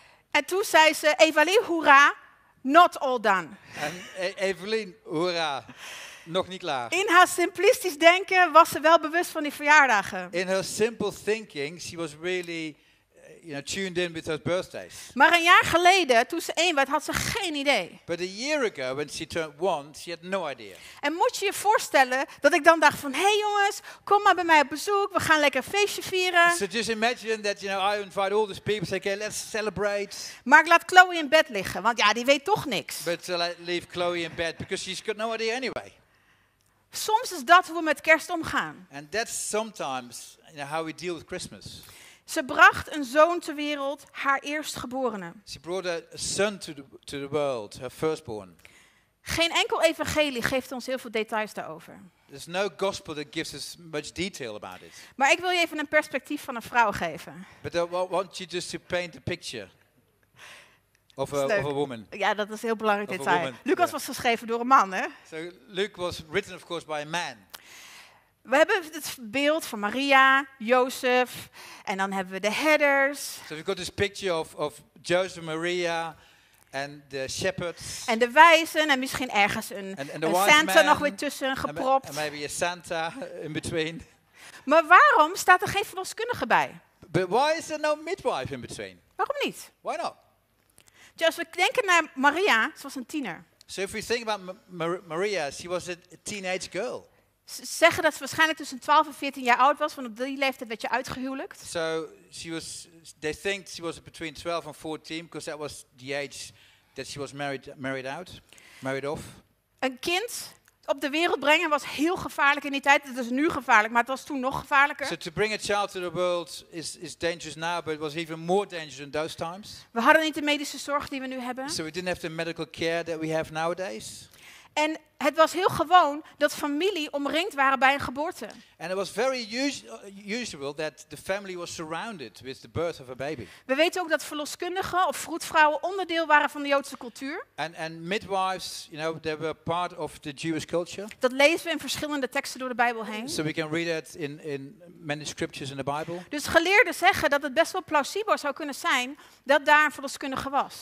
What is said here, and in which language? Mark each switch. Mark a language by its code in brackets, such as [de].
[nl] En toen zei ze, Evalie, hoera, [en] Not all done. [nl] En Evelien, hoera. Nog niet klaar. In haar simplistisch denken was ze wel bewust van die verjaardagen. [en] In her simple thinking, she was really, you know, tuned in with her birthdays. [nl] Maar een jaar geleden, toen ze 1 werd, had ze geen idee. [en] But a year ago, when she turned 1, she had no idea. [nl] En moet je je voorstellen dat ik dan dacht van, hey jongens, kom maar bij mij op bezoek, we gaan lekker een feestje vieren. [en] So just imagine that, you know, I invite all these people, say, okay, let's celebrate. [nl] Maar ik laat Chloe in bed liggen, want ja, die weet toch niks. [en] But leave Chloe in bed, because she's got no idea anyway. [nl] Soms is dat hoe we met kerst omgaan. [en] And that's sometimes, you know, how we deal with Christmas. [nl] Ze bracht een zoon ter wereld, haar eerstgeborene. [en] She brought a son to the world, her firstborn. [nl] Geen enkel evangelie geeft ons heel veel details daarover. [en] There's no gospel that gives us much detail about it. [nl] Maar ik wil je even een perspectief van een vrouw geven. [en] But I want you just to paint a picture of a woman. [nl] Ja, dat is heel belangrijk detail. Lucas was geschreven door een man, hè? [en] So Luke was written, of course, by a man. [nl] We hebben het beeld van Maria, Jozef, en dan hebben we de herders. [en] So we've got this picture of Joseph, Maria, and the shepherds. [nl] En de wijzen, en misschien ergens een Santa nog weer tussen gepropt. [en] And maybe a Santa in between. [nl] Maar waarom staat er geen verloskundige bij? [en] But why is there no midwife in between? [nl] Waarom niet? [en] Why not? [nl] Dus als we denken naar Maria, ze was een tiener. [en] So if we think about Maria, she was a teenage girl. [nl] Zeggen dat ze waarschijnlijk tussen 12 en 14 jaar oud was, want op die leeftijd werd je uitgehuwelijkd. [en] So she was, they think she was between 12 and 14, because that was the age that she was married off. [nl] Een kind op de wereld brengen was heel gevaarlijk in die tijd. Het is nu gevaarlijk, maar het was toen nog gevaarlijker. [en] So to bring a child to the world is dangerous now, but it was even more dangerous in those times. [nl] We hadden niet de medische zorg die we nu hebben. [en] So we didn't have the medical care that we have nowadays. [nl] En het was heel gewoon dat familie omringd waren bij een geboorte. [en] And it was very usual that the family was surrounded with the birth of a baby. [nl] We weten ook dat verloskundigen of vroedvrouwen onderdeel waren van de Joodse cultuur. [en] And midwives, you know, they were part of the Jewish culture. [nl] Dat lezen we in verschillende teksten door de Bijbel heen. [en] So we can read that in many scriptures in the Bible. [nl] Dus geleerden zeggen dat het best wel plausibel zou kunnen zijn dat daar een verloskundige was.